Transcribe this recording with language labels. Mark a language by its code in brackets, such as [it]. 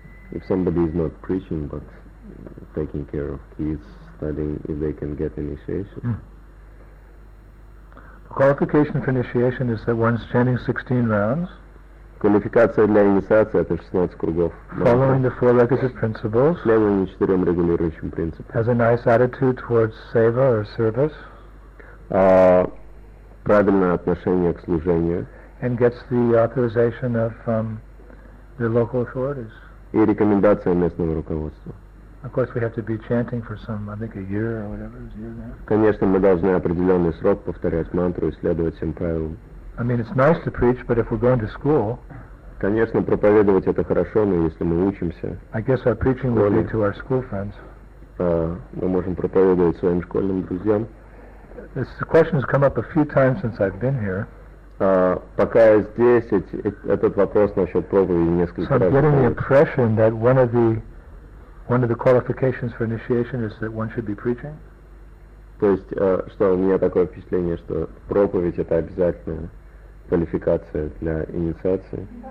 [en] If somebody is not preaching but taking care of kids, studying, if they can get initiation. Mm. Qualification for initiation is that one's chanting 16 rounds. [ru] Квалификация для инициации — это 16 кругов. [en] Following the four requisite principles. [ru] Следуя четырем регулирующим принципам. [en] Has a nice attitude towards seva or service. [ru] Правильное отношение к служению. [en] And gets the authorization of the local authorities. [ru] И рекомендация местного руководства. [en] Of course, we have to be chanting for some, I think, a year or whatever, it's a year now. [ru] Конечно, мы должны определенный срок повторять мантру и следовать всем правилам. [en] I mean, it's nice to preach, but if we're going to school. [ru] Конечно, проповедовать — это хорошо, но если мы учимся. [en] I guess our preaching will lead to our school friends. [ru] Мы можем проповедовать своим школьным друзьям. [en] This question has come up a few times since I've been here. [ru] Пока я здесь, этот вопрос насчет проповеди несколько раз. [en] So I'm getting the impression that one of the qualifications for initiation is that one should be preaching. [ru] То есть, что у меня такое впечатление, что проповедь — это обязательная квалификация для инициации.